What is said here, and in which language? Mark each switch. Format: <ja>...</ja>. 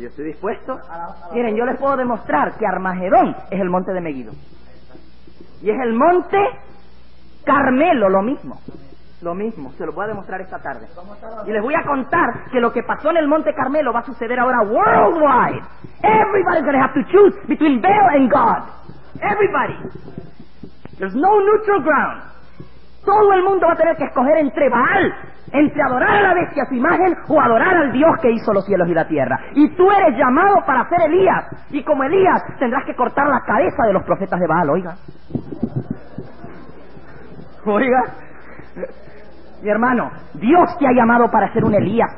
<es>Yo estoy dispuesto. Miren, yo les puedo demostrar que Armagedón es el monte de Megiddo. Y es el monte Carmelo, lo mismo. Lo mismo, se lo voy a demostrar esta tarde. Y les voy a contar que lo que pasó en el monte Carmelo va a suceder ahora worldwide.</es> <en>Everybody's going to have to choose between Baal and God. Everybody. There's no neutral ground.</en> <es>Todo el mundo va a tener que escoger entre Baal, entre adorar a la bestia, su imagen, o adorar al Dios que hizo los cielos y la tierra. Y tú eres llamado para ser Elías. Y como Elías, tendrás que cortar la cabeza de los profetas de Baal, oiga. Oiga. Mi hermano, Dios te ha llamado para ser un Elías.</es>